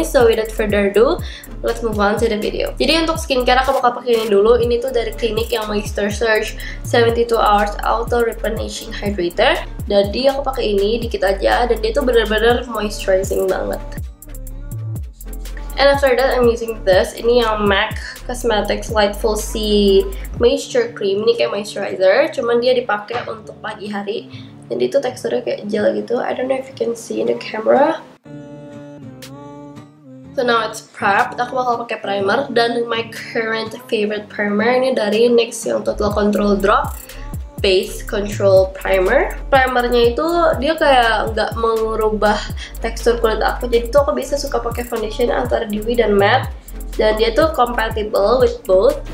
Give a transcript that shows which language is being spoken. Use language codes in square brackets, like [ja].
[en] So without further ado, let's move on to the video. [id] Jadi untuk skincare aku bakal pakai ini dulu. Ini tuh dari klinik yang Moisture Surge 72 Hours Auto Replenishing Hydrator. Jadi aku pakai ini dikit aja dan dia tuh benar-benar moisturizing banget. [en] And after that I'm using this. [id] Ini yang [en] MAC Cosmetics Light Full C Moisture Cream. [id] Ini kayak moisturizer, cuman dia dipakai untuk pagi hari. Jadi itu teksturnya kayak gel gitu. [en] I don't know if you can see in the camera. So now it's prepped. [id] Aku bakal pakai primer dan [en] my current favorite primer [id] ini dari NYX yang Total Control Drop Base Control Primer. Primernya itu dia kayak nggak mengubah tekstur kulit aku. Jadi tuh aku bisa suka pakai foundation antara dewy dan matte. Dan dia tuh [en] compatible with both.